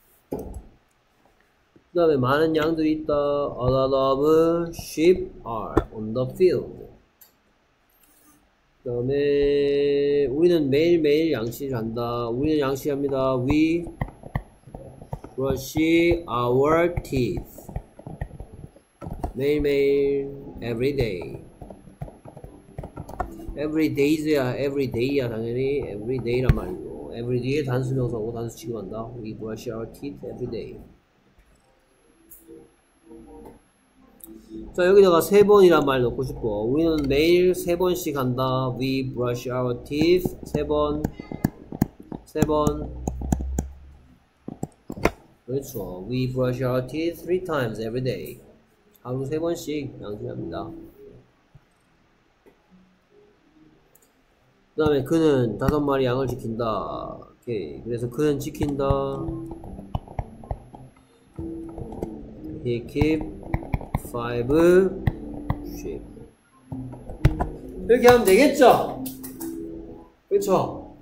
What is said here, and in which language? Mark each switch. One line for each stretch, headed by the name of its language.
Korean: 그 다음에 많은 양들이 있다.
English: A lot of sheep are on the field.
Korean: 그 다음에 우리는 매일매일 양치질 한다. 우리는 양치합니다.
English: We brush our teeth. 매일매일 every day. Every day야. Every day야 당연히. Every day란 말이고. Every day
Korean: 단수 명사하고 단수 취급한다.
English: We brush our teeth every day.
Korean: 자 여기다가 세 번이란 말 넣고 싶고 우리는 매일 세 번씩 한다.
English: We brush our teeth
Korean: 세 번 그렇죠.
English: We brush our teeth three times every day.
Korean: 하루 세 번씩 양치합니다. 그 다음에 그는 다섯 마리 양을 지킨다. 오케이. 그래서 그는 지킨다.
English: He keep five sheep.
Korean: 이렇게 하면 되겠죠? 그렇죠?